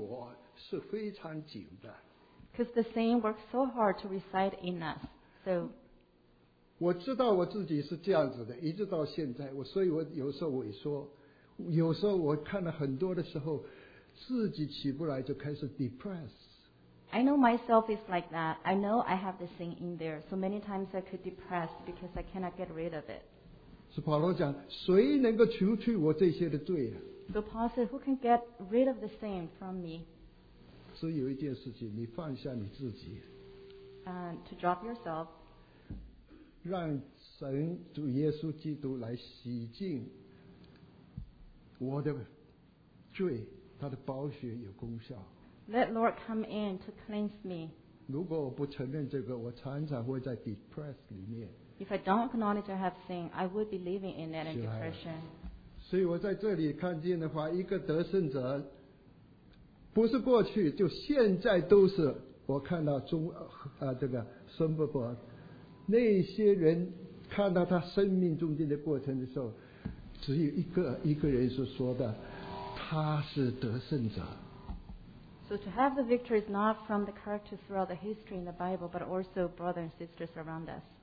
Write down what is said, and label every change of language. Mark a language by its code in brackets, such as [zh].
[zh] 因为罪的原始要经过我们的身体住在里面，所以是罪与自我是非常紧的。 [en] Because the sin works so hard to reside in us, so. [zh] 我知道我自己是这样子的，一直到现在，所以我有时候萎缩。有时候我看了很多的时候, 自己起不来, 就开始depressed。 [en] I know myself is like that. I know I have this thing in there. So many times I could depress because I cannot get rid of it. [zh] 是保罗讲, 谁能够除去我这些的罪啊? [en] So Paul said, who can get rid of the sin from me? [zh] 只有一件事情, 你放下你自己, [en] to drop yourself. [zh] 让神主耶稣基督来洗净。我的罪, [en] let Lord come in to cleanse me. [zh] 如果我不承认这个, [en] if I don't acknowledge I have sin, I would be living in that depression. [zh] 所以我在这里看见的话, 一个得胜者, 不是过去, 就现在都是, 我看到中, 这个孙伯伯, 那些人看到他生命中间的过程的时候, 只有一个人所说的，他是得胜者。 [en] So to have the victory is not from the characters throughout the history in the Bible, but also brothers and sisters around us.